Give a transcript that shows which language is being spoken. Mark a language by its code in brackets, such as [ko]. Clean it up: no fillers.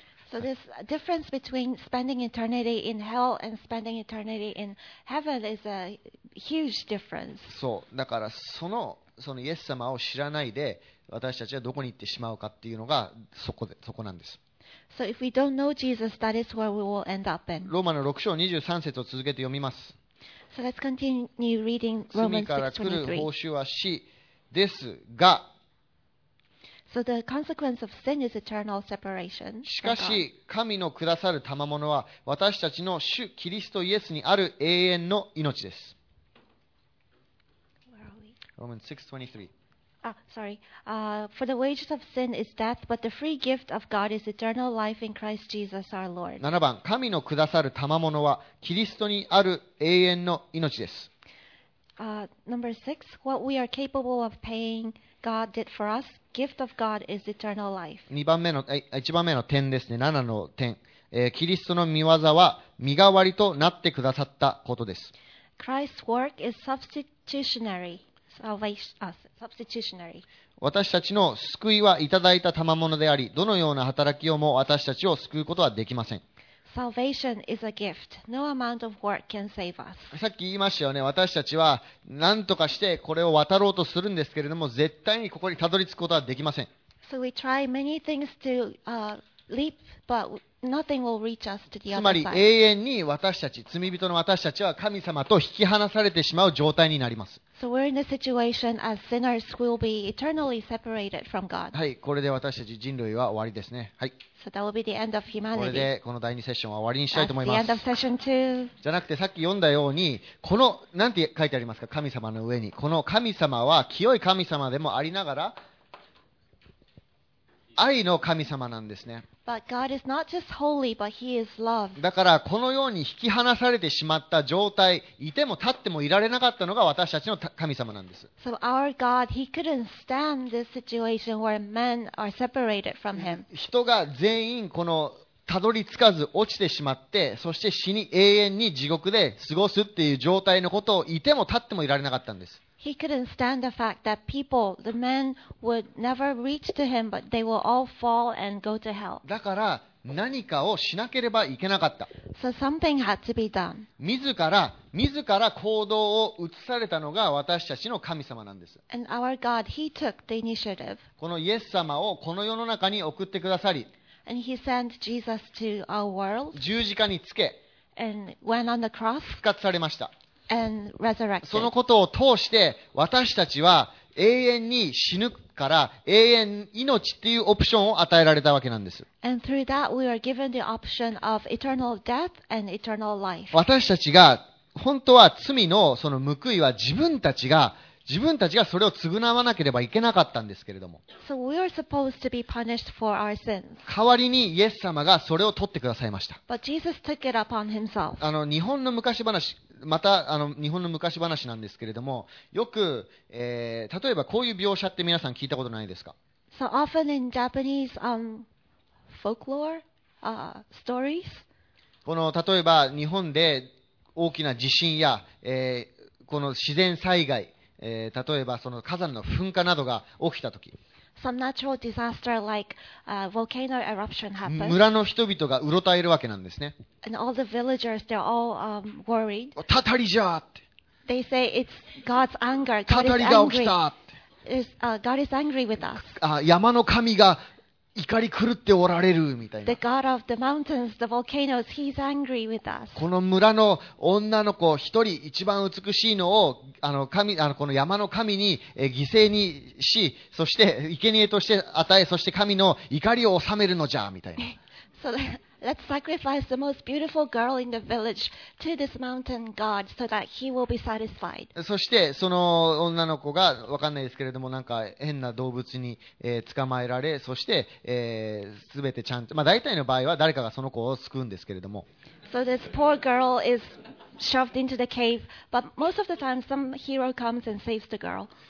[en] So this difference between spending eternity in hell and spending eternity in heaven is a huge difference. [ja] そうだからそのイエス様を知らないで。私たちはどこに行ってしまうかっていうのがそこなんです。 [en] So if we don't know Jesus, that is where we will end up in. [ja] ローマの6章23節を続けて読みます。 [en] So let's continue reading Romans 6:23. [ja] 罪から来る報酬は死ですが。 [en] So the consequence of sin is eternal separation. [ja] しかし神のくださる賜物は私たちの主キリストイエスにある永遠の命です。 [en] Where are we? Romans 6:23. For the wages of sin is death, but the free gift of God is eternal life in Christ Jesus our Lord. [ja] 7番、神のくださる賜物はキリストにある永遠の命です。 [en] Number six, what we are capable of paying God did for us, gift of God is eternal life. [ja] 1番目の点ですね、7の点、キリストの御業は身代わりとなってくださったことです。 [en] Christ's work is substitutionary. Substitutionary. [ja] 私たちの救いはいただいた賜物であり、どのような働きをも私たちを救うことはできません。 [en] Salvation is a gift. No amount of work can save us. [ja] さっき言いましたよね。私たちは何とかしてこれを渡ろうとするんですけれども、絶対にここにたどり着くことはできません。 [en] So we try many things to leap, but nothing will reach us to the other side. [ja] つまり永遠に私たち、罪人の私たちは神様と引き離されてしまう状態になります。 [en] So we're in a situation as sinners will be eternally separated from God. [ja] はい、これで私たち人類は終わりですね。はい。 [en] So that will be the end of humanity. [ja] これでこの第二セッションは終わりにしたいと思います。 [en] That's the end of session two. [ja] じゃなくてさっき読んだように、この、なんて書いてありますか？神様の上に。この神様は清い神様でもありながら、愛の神様なんですね。 [en] But God is not just holy, but He is love. [ja] だからこのように引き離されてしまった状態、いても立ってもいられなかったのが私たちの神様なんです。 [en] So our God, He couldn't stand this situation where men are separated from Him. [ja] 人が全員このたどり着かず落ちてしまって、そして死に永遠に地獄で過ごすっていう状態のことをいても立ってもいられなかったんです。 [en] He couldn't stand the fact that people, the men, would never reach to him, but they will all fall and go to hell. [ja] だから何かをしなければいけなかった。 [en] So something had to be done. [ja] 自ら行動を移されたのが私たちの神様なんです。 [en] And our God, He took the initiative. [ja] このイエス様をこの世の中に送ってくださり、 [en] And He sent Jesus to our world. [ja] 十字架につけ、 [en] And went on the cross. [ja] 復活されました。 [en] And resurrected. [ja] そのことを通して私たちは永遠に死ぬから永遠命っていうオプションを与えられたわけなんです。 [en] And through that we are given the option of eternal death and eternal life. [ja] 私たちが本当は罪のその報いは自分たちがそれを償わなければいけなかったんですけれども。 [en] So we are supposed to be punished for our sins. [ja] 代わりにイエス様がそれを取ってくださいました。 [en] But Jesus took it upon himself. [ja] 日本の昔話、また日本の昔話なんですけれども、よく、例えばこういう描写って皆さん聞いたことないですか？ [en] So often in Japanese, folklore, stories. [ja] この例えば日本で大きな地震や、この自然災害、例えばその火山の噴火などが起きたとき、 [en] Some natural disaster like a volcano eruption happens. [ja] 村の人々がうろたえるわけなんですね。 [en] And all the villagers, they're all worried. [ja] たたりじゃーって。 [en] They say it's God's anger. [ja] たたりが起きた。 [en] God is angry with us. [ja] 山の神が怒り狂っておられるみたいな。 [en] The God of the mountains, the volcanoes, he's angry with us. [ja] この村の女の子一人一番美しいのを神この山の神に犠牲にし、そして生贄として与え、そして神の怒りを収めるのじゃみたいな。 [en] So let's sacrifice the most beautiful girl in the village to this mountain god so that he will be satisfied. [ja] そしてその女の子がわかんないですけれども、なんか変な動物に捕まえられ、そして全てちゃんと、まあ大体の場合は誰かがその子を救うんですけれども。 [en] So this poor girl is shoved into the cave, but most of the time some hero comes and saves the girl.